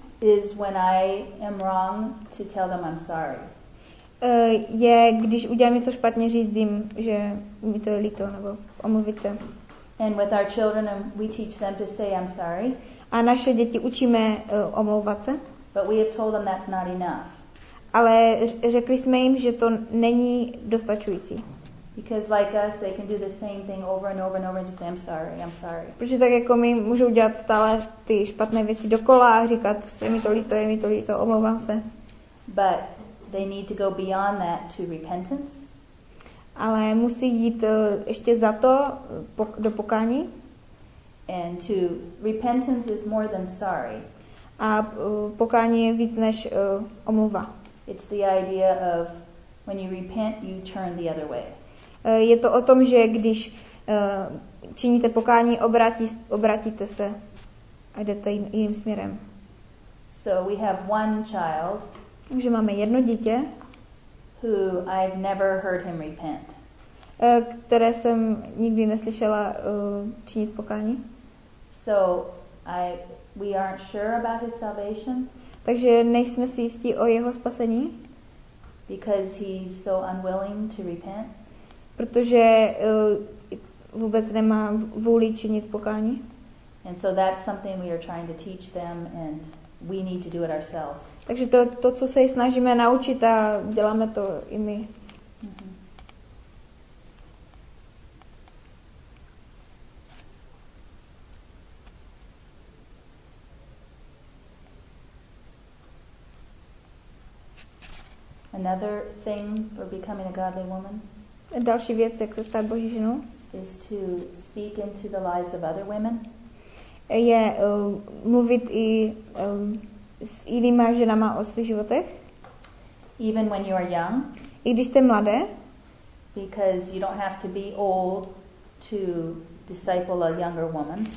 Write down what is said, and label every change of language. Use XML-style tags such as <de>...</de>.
<en>Is when I am wrong to tell them I'm sorry.</en> <cs>Je, když udělám něco špatně, říct jim, že mi to je líto, nebo omluvit se.</cs> <en>And with our children, we teach them to say I'm sorry.</en> <cs>A naše děti učíme omlouvat se.</cs> <en>But we have told them that's not enough.</en> <cs>Ale řekli jsme jim, že to není dostačující.</cs> <en>Because like us, they can do the same thing over and over and over and just say I'm sorry, I'm sorry.</en> <cs>Protože tak jako my můžou dělat stále ty špatné věci dokola a říkat, je mi to líto, omlouvám se.</cs> <en>But they need to go beyond that to repentance.</en> <cs>Ale musí jít ještě za to do pokání.</cs> <en>And to repentance is more than sorry.</en> <cs>A pokání je víc než omluva.</cs> <en>It's the idea of when you repent, you turn the other way.</en> <cs>Je to o tom, že když činíte pokání, obrátíte se a jdete jiným směrem.</cs> <en>So we have one child.</en> <cs>Takže máme jedno dítě.</cs> <en>Who I've never heard him repent.</en> <cs>Které jsem nikdy neslyšela činit pokání.</cs> <en>So we aren't sure about his salvation.</en> <cs>Takže nejsme si jistí o jeho spasení.</cs> <en>Because he's so unwilling to repent.</en> <cs>Protože vůbec nemá vůli činit pokání.</cs> <en>And so that's something we are trying to teach them and we need to do it ourselves.</en> <cs>Takže to co se snažíme naučit a děláme to i my.</cs> <en>Another thing for becoming a godly woman.</en> <cs>A další věc, jak se stát Boží ženou,</cs> <en>is to speak into the lives of other women.</en> <cs>Je mluvit i s jinýma ženama o svých životech.</cs> <en>Even when you are young.</en> <cs>I když jste mladé.</cs> <en>Because you don't have to be old to disciple a younger woman.</en>